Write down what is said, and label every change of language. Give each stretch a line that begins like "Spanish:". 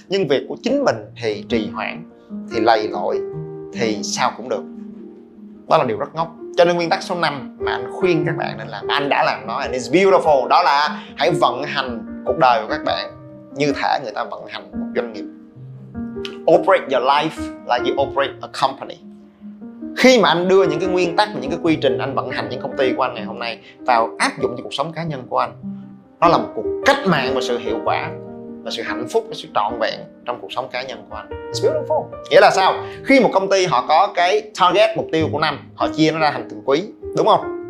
Vietnamese: Nhưng việc của chính mình thì trì hoãn, thì lầy lội, thì sao cũng được. Đó là điều rất ngốc. Cho nên nguyên tắc số 5 mà anh khuyên các bạn nên làm, anh đã làm nó,
English: and it's beautiful,
Vietnamese: đó là hãy vận hành cuộc đời của các bạn như thể người ta vận hành một doanh nghiệp.
English: Operate your life like you operate a company.
Vietnamese: Khi mà anh đưa những cái nguyên tắc và những cái quy trình anh vận hành những công ty của anh ngày hôm nay vào áp dụng cho cuộc sống cá nhân của anh, nó là một cuộc cách mạng và sự hiệu quả và sự hạnh phúc và sự trọn vẹn trong cuộc sống cá nhân của anh.
English: It's beautiful.
Vietnamese: Nghĩa là sao? Khi một công ty họ có cái target, mục tiêu của năm, họ chia nó ra thành từng quý, đúng không?